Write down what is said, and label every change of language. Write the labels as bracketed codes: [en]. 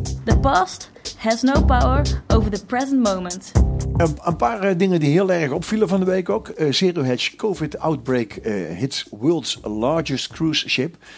[en] The past has no power over the present moment. [nl] Een paar dingen die heel erg opvielen van de week ook. [en] Zero Hedge COVID outbreak hits world's largest cruise ship.